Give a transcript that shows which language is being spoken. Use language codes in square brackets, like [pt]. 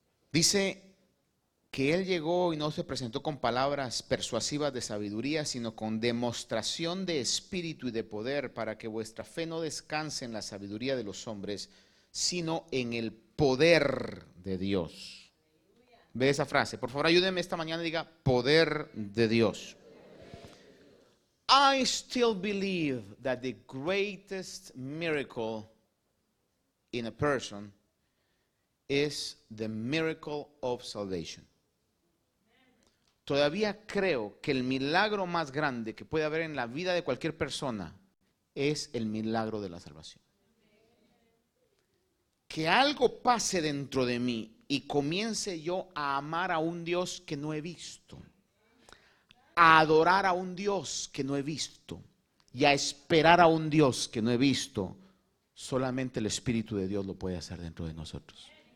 [es] Dice que él llegó y no se presentó con palabras persuasivas de sabiduría, sino con demostración de espíritu y de poder, para que vuestra fe no descanse en la sabiduría de los hombres, sino en el poder de Dios. Ve esa frase, por favor, ayúdeme esta mañana y diga, poder de Dios. [en] I still believe that the greatest miracle in a person is the miracle of salvation. [es] Todavía creo que el milagro más grande que puede haber en la vida de cualquier persona es el milagro de la salvación. Que algo pase dentro de mí y comience yo a amar a un Dios que no he visto, a adorar a un Dios que no he visto y a esperar a un Dios que no he visto, solamente el Espíritu de Dios lo puede hacer dentro de nosotros.